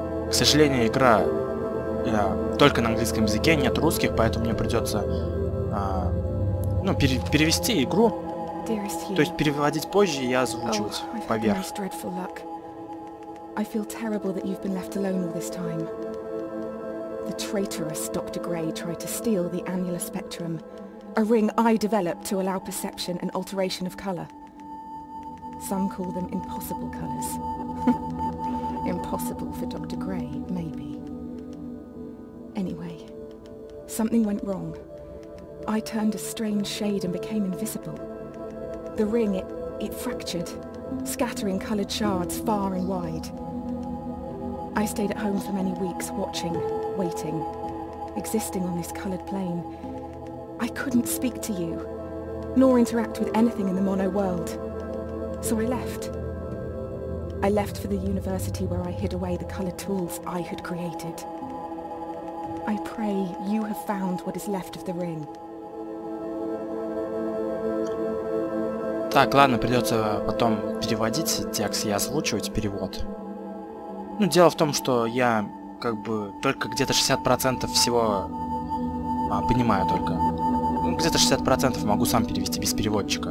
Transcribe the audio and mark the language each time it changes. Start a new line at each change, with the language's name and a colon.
Russian: К сожалению, игра только на английском языке, нет русских, поэтому мне придется перевести игру. То есть переводить позже и озвучивать поверх.
English: I feel terrible that you've been left alone all this time. The traitorous Dr. Gray tried to steal the annular spectrum, a ring I developed to allow perception and alteration of color. Some call them impossible colors. Impossible for Dr. Gray, maybe. Anyway, something went wrong. I turned a strange shade and became invisible. The ring, it fractured, scattering colored shards far and wide. I stayed at home for many weeks, watching, waiting, existing on this colored plane. I couldn't speak to you, nor interact with anything in the mono world. So I left. I left for the university where I hid away the colored tools I had created. I pray you have found what is left of the ring.
Russian: Так, ладно, придется потом переводить текст и озвучивать перевод. Ну, дело в том, что я как бы только где-то 60% всего понимаю только. Ну, где-то 60% могу сам перевести без переводчика.